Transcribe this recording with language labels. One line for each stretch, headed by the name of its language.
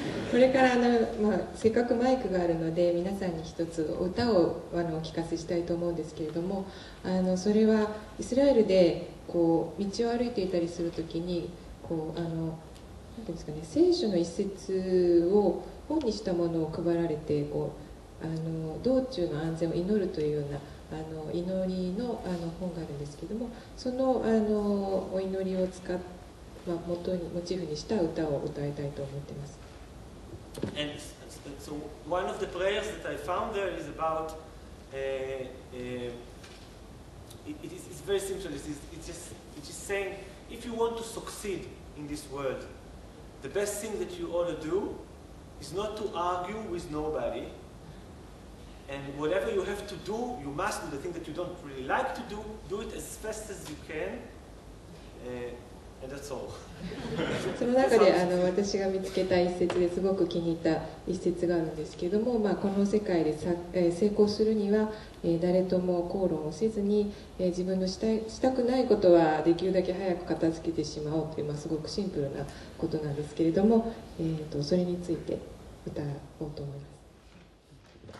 Japanese: これからせっかくマイクがあるので皆さんに一つ歌をお聞かせしたいと思うんですけれども、それはイスラエルでこう道を歩いていたりするときに、こうなんていうんですかね、聖書の一節を本にしたものを配られて、こう道中の安全を祈るというような祈りの本があるんですけれども、その、お祈りを使ってモチーフにした歌を歌いたいと思っています。
English: And so one of the prayers that I found there is about it's very simple. It's just saying, if you want to succeed in this world, the best thing that you ought to do is not to argue with nobody. And whatever you have to do, you must do. The thing that you don't really like to do, do it as fast as you can.
Japanese: その中で私が見つけた一節ですごく気に入った一節があるんですけども、この世界で成功するには、誰とも口論をせずに、自分のしたくないことはできるだけ早く片付けてしまおうという、すごくシンプルなことなんですけれども、それについて歌おうと思います。